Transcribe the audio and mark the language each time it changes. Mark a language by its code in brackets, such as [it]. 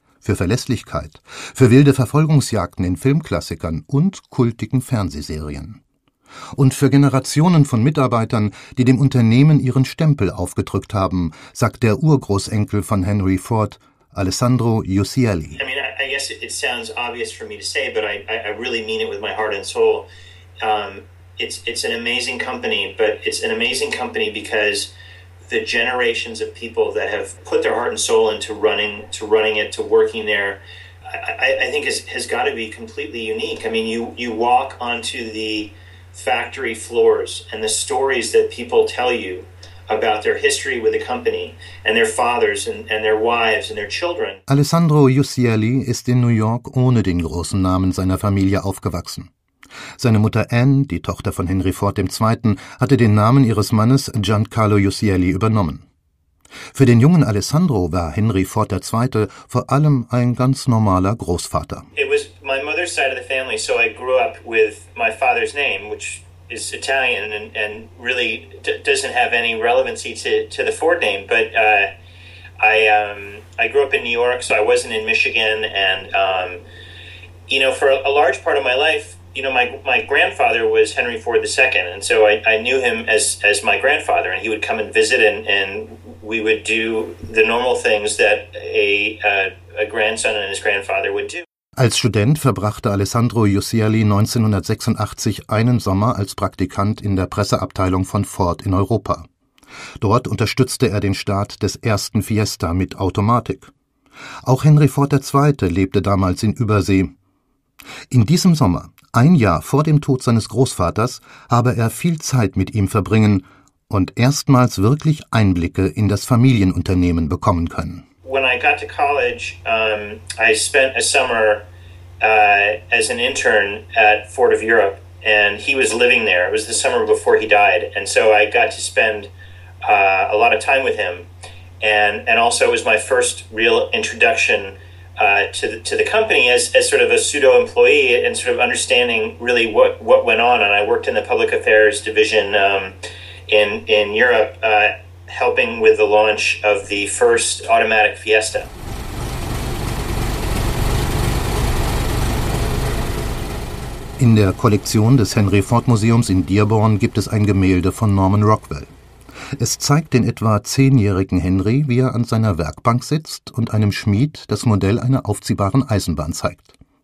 [de] Für Verlässlichkeit, für wilde Verfolgungsjagden in Filmklassikern und kultigen Fernsehserien. Und für Generationen von Mitarbeitern, die dem Unternehmen ihren Stempel aufgedrückt haben, sagt der Urgroßenkel von Henry Ford, Alessandro Uccelli. [en] I mean, I guess it sounds obvious for me to say, but I really mean it with my heart and soul. It's an amazing company, but it's an amazing company because the generations of people that have put their heart and soul into running it, to working there, I think has got to be completely unique. I mean, you walk onto the factory floors and the stories that people tell you about their history with the company and their fathers and their wives and their children. [de] Alessandro Uccelli ist in New York ohne den großen Namen seiner Familie aufgewachsen. Seine Mutter Anne, die Tochter von Henry Ford II., hatte den Namen ihres Mannes Giancarlo Uccelli übernommen. Für den jungen Alessandro war Henry Ford II. Vor allem ein ganz normaler Großvater. [en] It was my mother's side of the family, so I grew up with my father's name, which is Italian and really doesn't have any relevancy to the Ford name. But I grew up in New York, so I wasn't in Michigan. And, you know, for a large part of my life, you know, my grandfather was Henry Ford II, and so I knew him as my grandfather, and he would come and visit, and we would do the normal things that a grandson and his grandfather would do. [de] Als Student verbrachte Alessandro Uccelli 1986 einen Sommer als Praktikant in der Presseabteilung von Ford in Europa. Dort unterstützte er den Start des ersten Fiesta mit Automatik. Auch Henry Ford II. Lebte damals in Übersee. In diesem Sommer, ein Jahr vor dem Tod seines Großvaters, habe er viel Zeit mit ihm verbringen und erstmals wirklich Einblicke in das Familienunternehmen bekommen können. [en] When I got to college, I spent a summer as an intern at Ford of Europe, and he was living there. It was the summer before he died, and so I got to spend a lot of time with him, and also it was my first real introduction to the company as sort of a pseudo employee and sort of understanding really what went on. And I worked in the public affairs division in Europe, helping with the launch of the first automatic Fiesta. [de] In der Kollektion des Henry Ford Museums in Dearborn gibt es ein Gemälde von Norman Rockwell. Es zeigt den etwa 10-jährigen Henry, wie er an seiner Werkbank sitzt und einem Schmied das Modell einer aufziehbaren Eisenbahn zeigt.